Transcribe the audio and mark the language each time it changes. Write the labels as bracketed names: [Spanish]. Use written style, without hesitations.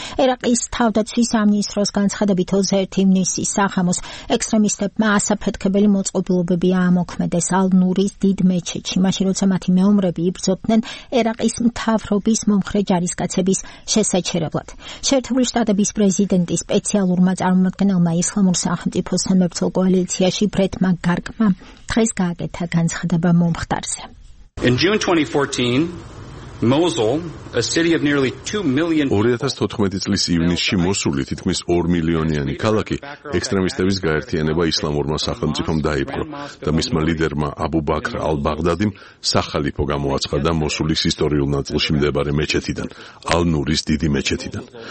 [Georgian] ერაყის თავდაცვის სამინისტროს განცხადებით 21 ივნისის სახამოს ექსტრემისტებმა ასაფეთქებელი მოწყობილობები ამოქმედეს ალ-ნურის დიდ მეჩეთში, მაშინ როცა მათი მეომრები იბრძოდნენ ერაყის მთავრობის მომხრე ჯარისკაცების შესაჩერებლად. შეერთებული შტატების პრეზიდენტის სპეციალურმა წარმომადგენელმა ისლამურ სახელმწიფოსთან მებრძოლ კოალიციაში ბრეტმა გარკმა დღეს გააკეთა განცხადება მომხდარზე. [English] In June 2014 Mosul, a city of nearly 2 million [Georgian] 2014 წლის ივნისში მოსული თითქმის 2 მილიონიანი ქალაქი ექსტრემისტების გაერთიანება ისლამურმა სახელმწიფომ დაიპყრო და მისმა ლიდერმა აბუბაკრ ალ-ბაღდადიმ სახალიფო გამოაცხადა მოსულის ისტორიულ ნაწილში მდებარე მეჩეთიდან, ალ-ნურის დიდი მეჩეთიდან.